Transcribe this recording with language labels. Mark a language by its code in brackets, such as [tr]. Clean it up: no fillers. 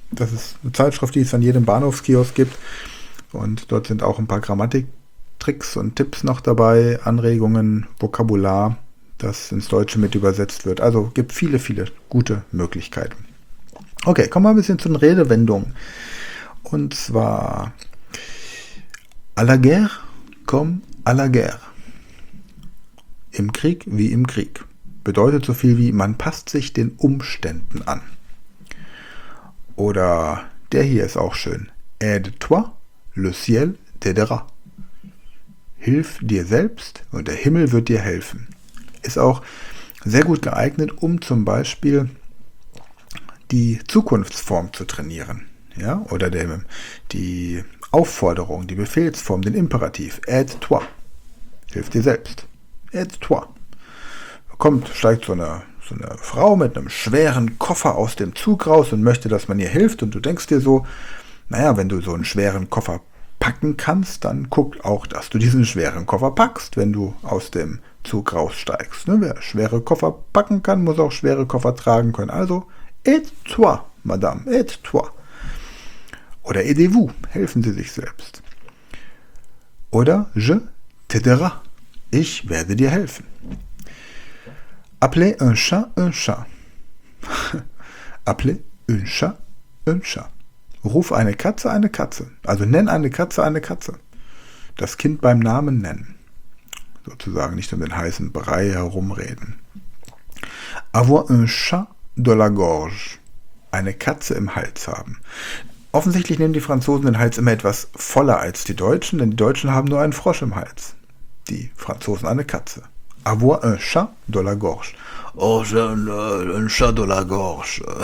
[de] Das ist eine Zeitschrift, die es an jedem Bahnhofskiosk gibt. Und dort sind auch ein paar Grammatiktricks und Tipps noch dabei, Anregungen, Vokabular, das ins Deutsche mit übersetzt wird. Also gibt viele, viele gute Möglichkeiten. Okay, kommen wir ein bisschen zu den Redewendungen. Und zwar [fr] à la guerre comme à la guerre. [de] Im Krieg wie im Krieg. Bedeutet so viel wie, man passt sich den Umständen an. Oder der hier ist auch schön. [fr] Aide-toi, le ciel t'aidera. [de] Hilf dir selbst und der Himmel wird dir helfen. Ist auch sehr gut geeignet, um zum Beispiel die Zukunftsform zu trainieren. Ja? Oder die Aufforderung, die Befehlsform, den Imperativ. [fr] Aide-toi. [de] Hilf dir selbst. Aide-toi. Kommt, steigt so eine Frau mit einem schweren Koffer aus dem Zug raus und möchte, dass man ihr hilft. Und du denkst dir so, wenn du so einen schweren Koffer packen kannst, dann guck auch, dass du diesen schweren Koffer packst, wenn du aus dem Zug raussteigst. Ne? Wer schwere Koffer packen kann, muss auch schwere Koffer tragen können. Also, [fr] aide-toi, Madame, aide-toi. [de] Oder [fr] aidez-vous, [de] helfen Sie sich selbst. Oder [fr] je t'aidera, [de] ich werde dir helfen. [fr] Appelez un chat un chat. Appelez un chat un chat. [de] Ruf eine Katze eine Katze. Also nenn eine Katze eine Katze. Das Kind beim Namen nennen. Sozusagen nicht um den heißen Brei herumreden. [fr] Avoir un chat de la gorge. [de] Eine Katze im Hals haben. Offensichtlich nehmen die Franzosen den Hals immer etwas voller als die Deutschen, denn die Deutschen haben nur einen Frosch im Hals. Die Franzosen eine Katze. [fr] Avoir un chat de la gorge. Oh, j'ai un chat de la gorge.